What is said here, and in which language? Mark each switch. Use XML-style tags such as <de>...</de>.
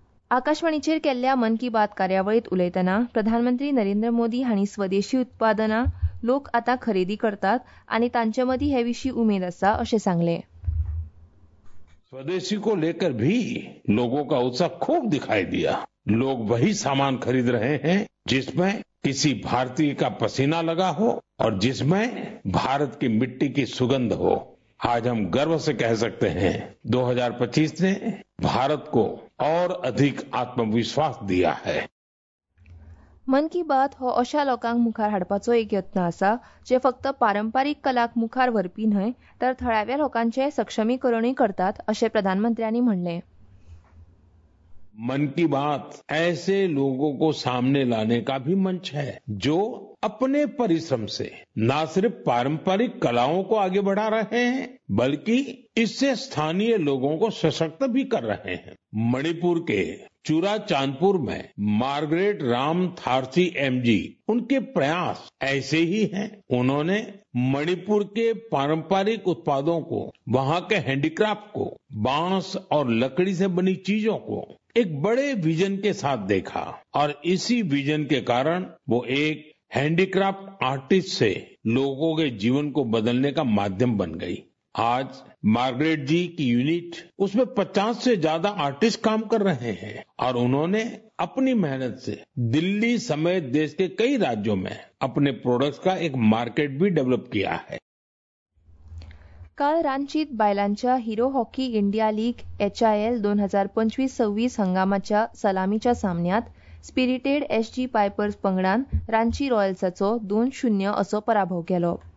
<kok>आकाशवाणीचेर केल्ल्या मन की बात कार्यावळीत उलयतना प्रधानमंत्री नरेंद्र मोदी हांणी स्वदेशी उत्पादनां लोक आतां खरेदी करतात आनी तांचे मदीं हे विशीं उमेद आसा अशें सांगलें.</kok> <hi>स्वदेशी को लेकर भी लोगों का उत्साह खूब दिखाई दिया. लोग वही सामान खरीद रहे हैं जिसमें किसी भारतीय का पसीना लगा हो और जिसमें भारत की मिट्टी की सुगंध हो. आज हम गर्व से कह सकते हैं 2025 ने भारत को और अधिक आत्मविश्वास दिया है.</hi> <kok>मन की बात हो अशा लोकांक मुखार हाडपाचो एक यत्न आसा जे फक्त पारंपारीक कलाक मुखार व्हरपी न्हय तर थळाव्या लोकांचे सक्षमीकरणूय करतात अशें प्रधानमंत्र्यांनी म्हणले.</kok> <hi>मन की बात ऐसे लोगों को सामने लाने का भी मंच है जो अपने परिश्रम से ना सिर्फ पारंपरिक कलाओं को आगे बढ़ा रहे हैं बल्कि इससे स्थानीय लोगों को सशक्त भी कर रहे हैं. मणिपुर के चुरा चांदपुर में मार्गरेट राम थारसी MG उनके प्रयास ऐसे ही हैं. उन्होंने मणिपुर के पारंपरिक उत्पादों को, वहां के हैंडीक्राफ्ट को, बांस और लकड़ी से बनी चीजों को एक बड़े विजन के साथ देखा और इसी विजन के कारण वो एक हैंडीक्राफ्ट आर्टिस्ट से लोगों के जीवन को बदलने का माध्यम बन गई. आज मार्गरेट जी की यूनिट उसमें 50 से ज्यादा आर्टिस्ट काम कर रहे हैं और उन्होंने अपनी मेहनत से दिल्ली समेत देश के कई राज्यों में अपने प्रोडक्ट्स का एक मार्केट भी डेवलप किया है.</hi> <kok>काल रांचीत बायलांच्या हिरो हॉकी इंडिया लीग HIL 2025-26 हंगामाच्या सलामीच्या सामन्यात स्पिरिटेड SG पायपर्स पंगडान रांची रॉयल्साचो 2-0 असो पराभव केलो.</kok>